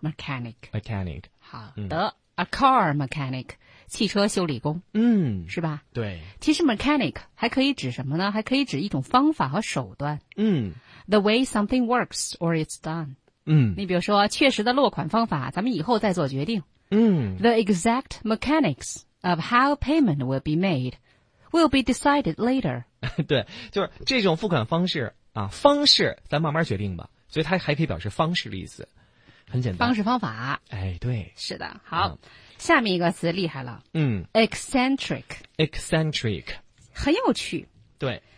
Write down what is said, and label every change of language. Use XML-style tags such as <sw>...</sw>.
<en>mechanic。</en> <zh>好的、嗯、</zh> <en>，a car mechanic。</en> <zh>汽车修理工，嗯，是吧？对，其实 mechanic 还可以指什么呢？还可以指一种方法和手段，嗯</zh> <en>，the way something works or it's done，嗯，</en> <zh>你比如说确实的落款方法，咱们以后再做决定，嗯</zh> <en>，the exact mechanics of how payment will be made will be decided later，</en> <zh>对，就是这种付款方式啊，方式咱慢慢决定吧，所以它还可以表示方式的意思。很简单，方式方法。哎，对，是的。好、嗯、下面一个词厉害了，嗯 eccentric 很有趣。对，</zh>